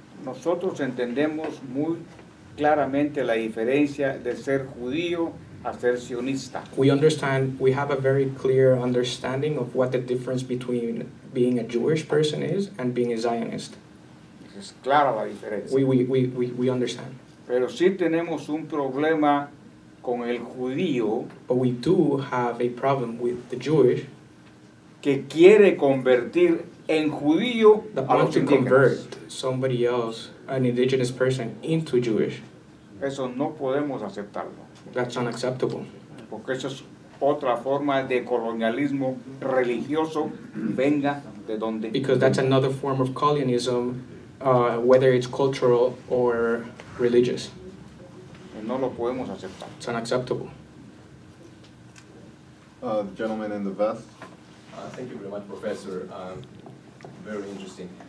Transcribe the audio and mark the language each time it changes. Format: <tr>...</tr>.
<es>Nosotros entendemos muy claramente la diferencia de ser judío a ser sionista.</es> <en>We understand, we have a very clear understanding of what the difference between being a Jewish person is and being a Zionist.</en> <es>Es clara la diferencia.</es> <en>We understand.</en> <es>Pero sí tenemos un problema con el judío,</es> <en>but we do have a problem with the Jewish</en> <es>que quiere convertir en judío,</es> <en>that wants to convert somebody else, an indigenous person, into Jewish.</en> <es>Eso no podemos aceptarlo.</es> <en>That's unacceptable.</en> <es>Porque eso es otra forma de colonialismo religioso, venga de donde.</es> <en>Because that's another form of colonialism, whether it's cultural or religious.</en> <es>No lo podemos aceptar.</es> <en>It's unacceptable. The gentleman in the vest. Thank you very much, Professor. Very interesting.</en>